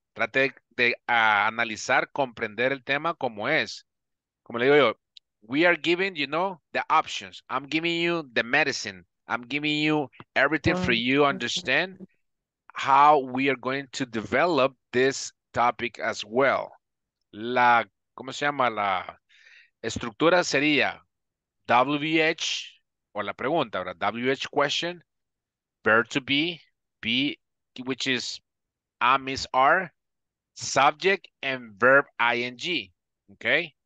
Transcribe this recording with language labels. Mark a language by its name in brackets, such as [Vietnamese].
[Spanish] Trate de analizar, comprender el tema como es. Como le digo yo, [English] we are giving, you know, the options. I'm giving you the medicine. I'm giving you everything for you understand how we are going to develop this topic as well. [Spanish] La, ¿cómo se llama? La estructura sería WH, o la pregunta, ¿verdad? [English] WH question, verb to be, which is am, is, are, subject, and verb ing, okay?